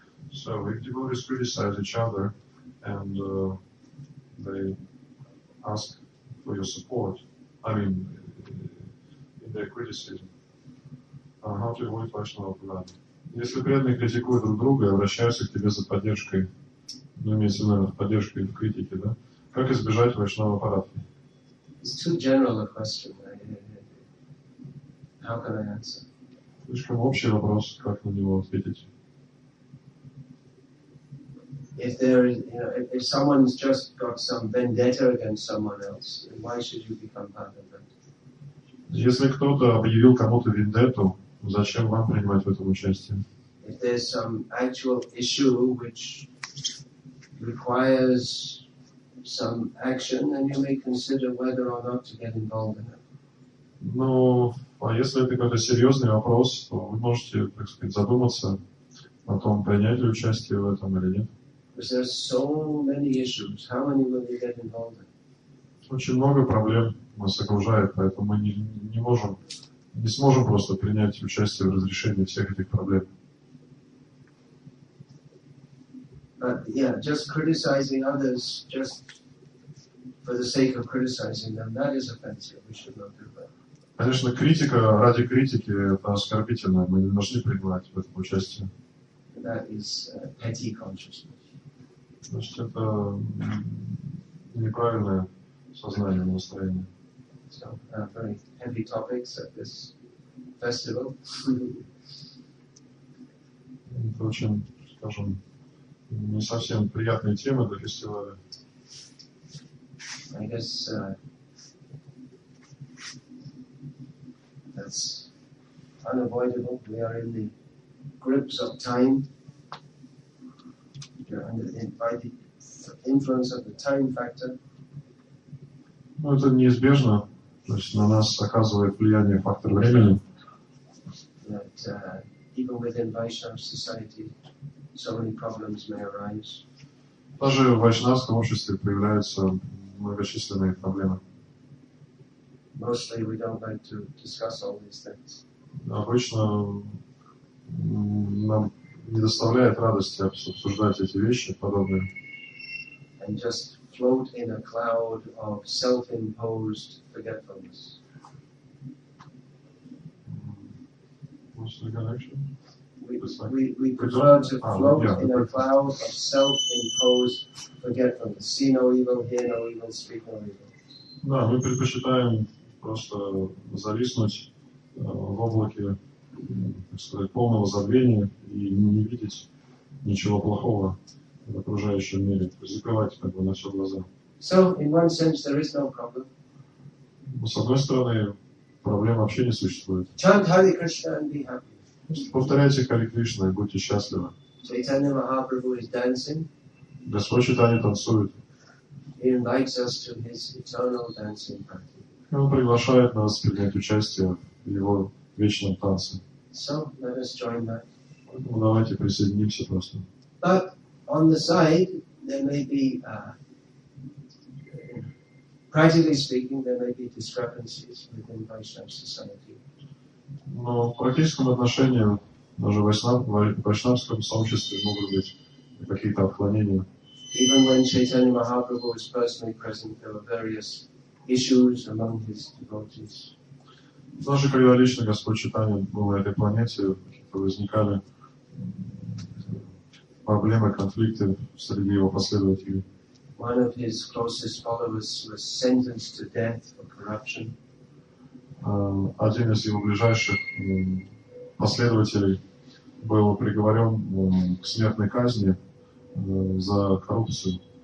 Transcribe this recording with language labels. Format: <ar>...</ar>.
<en>So, if devotees criticize each other and they ask for your support, I mean, in their criticism, how to avoid Vaishnava Pradhan?</en> <ru>Если преданные критикуют друг друга и обращаются к тебе за поддержкой, ну, имеется в виду поддержкой в критике, да? Как избежать Vaishnava Pradhan?</ru> <en>It's too general a question. How can I answer?</en> <ru>Слишком общий вопрос, как на него ответить?</ru> <en>If there is, if someone's just got some vendetta against someone else, then why should you become part of that?</en> <ru>Если кто-то объявил кому-то вендетту, зачем вам принимать в этом участие?</ru> <en>If there's some actual issue which requires some action, then you may consider whether or not to get involved in it.</en> <ru>Ну, а если это какой-то серьезный вопрос, то вы можете, так сказать, задуматься о том, принять ли участие в этом или нет.</ru> <en>Because there's so many issues. How many will you get involved in?</en> <ru>Очень много проблем нас окружает, поэтому мы не сможем просто принять участие в разрешении всех этих проблем.</ru> <en>But yeah, just criticizing others just for the sake of criticizing them, that is offensive. We should not do that.</en> <ru>Конечно, критика ради критики это оскорбительно. Мы не должны принимать в этом участие.</ru> <en>That is petty consciousness.</en> <ru>Значит, это неправильное сознание, настроение.</ru> <en>So, very heavy topics at this festival.</en> <ru>Это очень, скажем, не совсем приятные темы для фестиваля.</ru> <en>I guess that's unavoidable. We are in the grips of time. We are under the influence of the time factor.</en> <ru>Ну, это неизбежно. То есть на нас оказывает влияние фактор времени.</ru> <en>That even within Vaishnava society, so many problems may arise.</en> <ru>Даже в вайшнавском обществе появляются многочисленные проблемы.</ru> <en>Mostly we don't like to discuss all these things.</en> <ru>Обычно нам не доставляет радости обсуждать эти вещи подобные.</ru> <en>And just float in a cloud of self-imposed forgetfulness. What's the connection? We prefer to float in a cloud of self-imposed forgetfulness. See no evil, hear no evil, speak no evil.</en> <ru>Да, мы предпочитаем просто зависнуть в облаке, так сказать, полного забвения и не видеть ничего плохого в окружающем мире, закрывать как бы на все глаза.</ru> <en>So, in one sense, there is no problem.</en> <ru>С одной стороны, проблем вообще не существует.</ru> <en>Chant Hare Krishna and be happy.</en> <ru>Повторяйте Хари Кришна и будьте счастливы.</ru> <en>Chaitanya Mahaprabhu is dancing.</en> <ru>Господь Чайтанья танцует.</ru> <en>He invites us to his eternal dancing practice.</en> <ru>И он приглашает нас принять участие в его вечном танце.</ru> <en>So, let us join that.</en> <ru>Поэтому давайте присоединимся просто.</ru> <en>But on the side, there may be Practically speaking, there may be discrepancies within Vaishnav society.</en> <ru>Но в практическом отношении даже в вайшнавском сообществе могут быть какие-то отклонения.</ru> <en>Even when Chaitanya Mahaprabhu was personally present, there were various issues among his devotees.</en> <ru>Даже когда лично Господь Чайтанья был на этой планете, какие-то возникали проблемы, конфликты среди его последователей.</ru> <en>One of his closest followers was sentenced to death for corruption.</en> <ru>Один из его ближайших последователей был приговорен к смертной казни за коррупцию.</ru>